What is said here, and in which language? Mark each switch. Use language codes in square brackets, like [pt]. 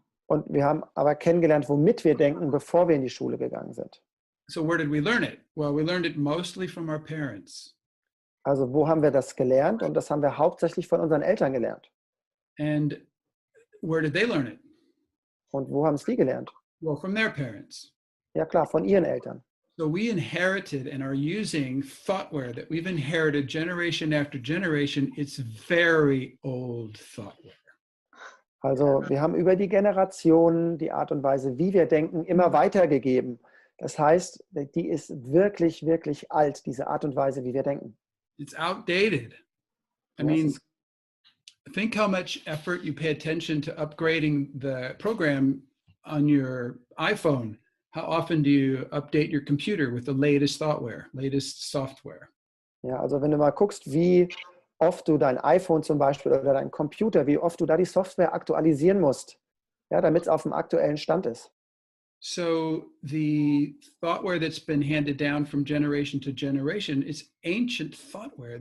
[de] Und wir haben aber kennengelernt, womit wir denken, bevor wir in die Schule gegangen sind. [en] So where did we learn it? Well, we learned it mostly from our parents. [de] Also wo haben wir das gelernt? Und das haben wir hauptsächlich von unseren Eltern gelernt. [en] And where did they learn it? [de] Und wo haben es die gelernt? [en] Well, from their parents. [de] Ja klar, von ihren Eltern. [en] So we inherited and are using thoughtware that we've inherited generation after generation. It's very old thoughtware. [de] Also wir haben über die Generationen die Art und Weise, wie wir denken, immer weitergegeben. Das heißt, die ist wirklich, wirklich alt, diese Art und Weise, wie wir denken. [en] It's outdated. I mean, think how much effort you pay attention to upgrading the program on your iPhone. How often do you update your computer with the latest software? [de] Ja, also wenn du mal guckst, wie oft du dein iPhone zum Beispiel oder dein Computer, wie oft du da die Software aktualisieren musst, ja, damit es auf dem aktuellen Stand ist. [en] So the thoughtware that's been handed down from generation to generation is ancient thoughtware.